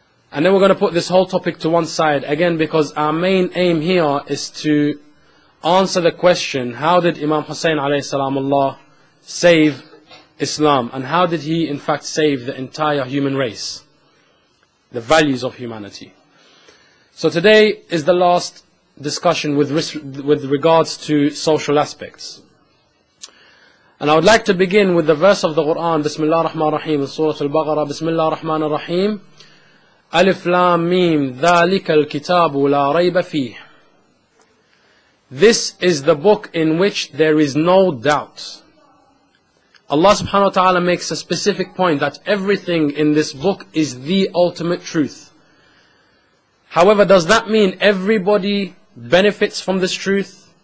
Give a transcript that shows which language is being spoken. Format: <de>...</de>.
<en>And then we're going to put this whole topic to one side again, because our main aim here is to answer the question, how did Imam Hussein alayhi salamullah save Islam, and how did he in fact save the entire human race, the values of humanity? So today is the last discussion with regards to social aspects. And I would like to begin with the verse of the Quran, Bismillah ar-Rahman ar-Rahim, in Surah Al-Baqarah, Bismillah ar-Rahman ar-Rahim.</en> <ar>Alif Lam Mim, ذَلِكَ الْكِتَابُ لَا رَيْبَ فِيهِ.</ar> <en>This is the book in which there is no doubt. Allah subhanahu wa ta'ala makes a specific point that everything in this book is the ultimate truth. However, does that mean everybody benefits from this truth?</en>